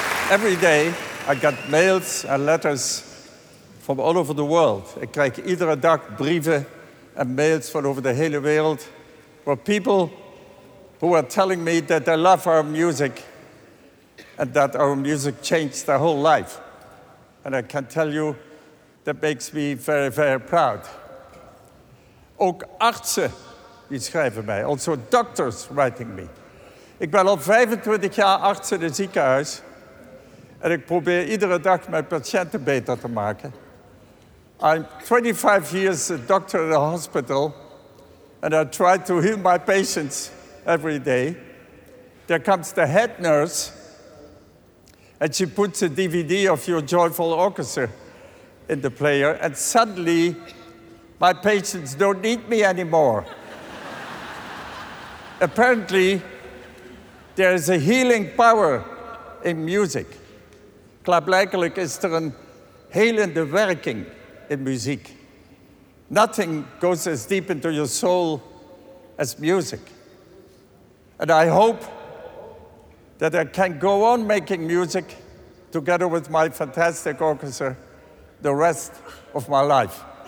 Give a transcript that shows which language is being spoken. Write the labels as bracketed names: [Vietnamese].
[English] Every day I get mails and letters from all over the world. [Dutch] Ik krijg iedere dag brieven en mails van over de hele wereld. [English] From people who are telling me that they love our music and that our music changed their whole life. And I can tell you, that makes me very, very proud. [Dutch] Ook artsen die schrijven mij, [English] also doctors writing me. [Dutch] Ik ben al 25 jaar arts in het ziekenhuis. En ik probeer iedere dag mijn patiënten beter te maken. [English] I'm 25 years a doctor in a hospital. And I try to heal my patients every day. There comes the head nurse. And she puts a DVD of your joyful orchestra in the player. And suddenly, my patients don't need me anymore. Apparently, there is a healing power in music. [Dutch] Klaarblijkelijk is er een helende werking in muziek. [English] Nothing goes as deep into your soul as music. And I hope that I can go on making music together with my fantastic orchestra the rest of my life.